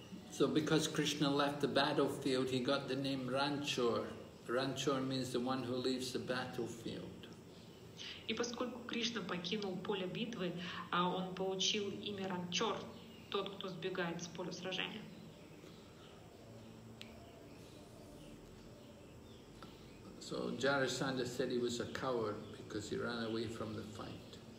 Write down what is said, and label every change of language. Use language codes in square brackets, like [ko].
[en] So because Krishna left the battlefield, he got the name Ranchor. Ranchor means the one who leaves the battlefield. [ru] И поскольку Кришна покинул поле битвы, он получил имя Ранчор, тот, кто сбегает с поля сражения. [en] So Jarasandha said he was a coward because he ran away from the fight.